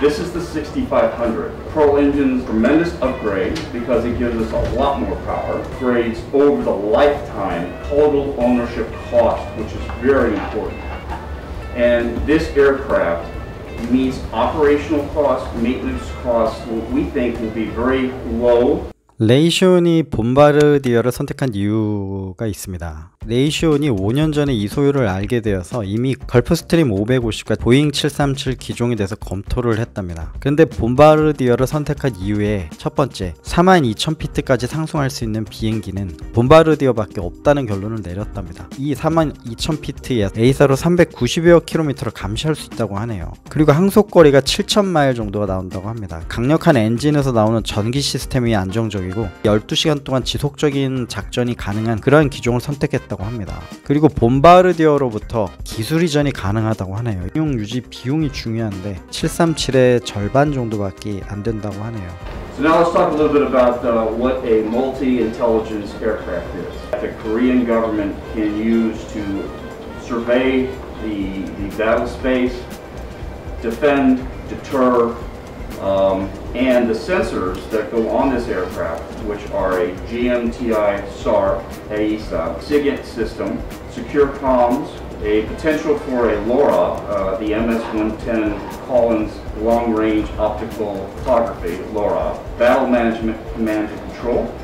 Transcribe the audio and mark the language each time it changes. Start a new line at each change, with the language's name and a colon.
English: This is the 6500. Pro engines, tremendous upgrade because it gives us a lot more power. Grades over the lifetime, total ownership cost, which is very important. And this aircraft means operational cost, maintenance cost, we think will be very low.
Korean: 레이시온이 봄바르디어를 선택한 이유가 있습니다. 레이시온이 5년 전에 이 소유를 알게 되어서 이미 걸프스트림 550과 보잉 737 기종에 대해서 검토를 했답니다. 그런데 봄바르디어를 선택한 이유에 첫 번째, 42,000피트까지 상승할 수 있는 비행기는 봄바르디어밖에 없다는 결론을 내렸답니다. 이 42,000피트에 A사로 390여 킬로미터를 감시할 수 있다고 하네요. 그리고 항속거리가 7,000마일 정도가 나온다고 합니다. 강력한 엔진에서 나오는 전기 시스템이 안정적 12시간 동안 지속적인 작전이 가능한 그러한 기종을 선택했다고 합니다. 그리고 봄바르디어로부터 기술 이전이 가능하다고 하네요. 운용 유지 비용이 중요한데 737의 절반 정도밖에 안 된다고 하네요.
English: So now let's talk a little bit about what a multi-intelligence aircraft is. The Korean government can use to survey the battle space, defend, deter, and the sensors that go on this aircraft, which are a GMTI SAR AESA SIGINT system, secure comms, a potential for a LoRa, the MS-110 Collins Long Range Optical Photography LoRa, battle management command and control,